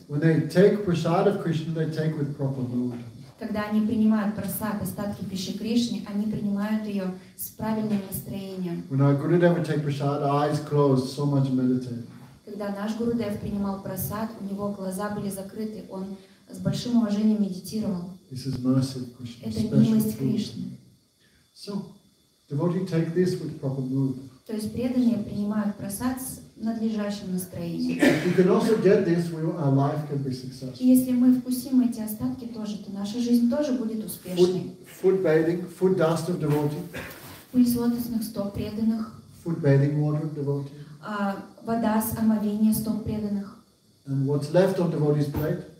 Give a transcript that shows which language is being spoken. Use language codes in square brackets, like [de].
[en] When they take prasad of Krishna, they take with proper mood. [ru] Когда они принимают прасад, остатки пищи Кришны, они принимают ее с правильным настроением. [en] When our Gurudev would take prasad, eyes closed, so much meditate. [ru] Когда наш Гурудев принимал прасад, у него глаза были закрыты, он с большим уважением медитировал. [en] This is mercy of Krishna. [ru] Это милость Кришны. [en] So, devotees take this with proper mood. [ru] То есть преданные принимают прасад с надлежащим настроением. [en] You can also get this, our life can be successful. [ru] И если мы вкусим эти остатки тоже, то наша жизнь тоже будет успешной. [en] Food bathing, food dust of devotee. [ru] Пыль с лотосных стоп преданных. [en] Food bathing water of devotee. [ru] Вода с омовения стоп преданных. [en] And what's left on devotee's plate?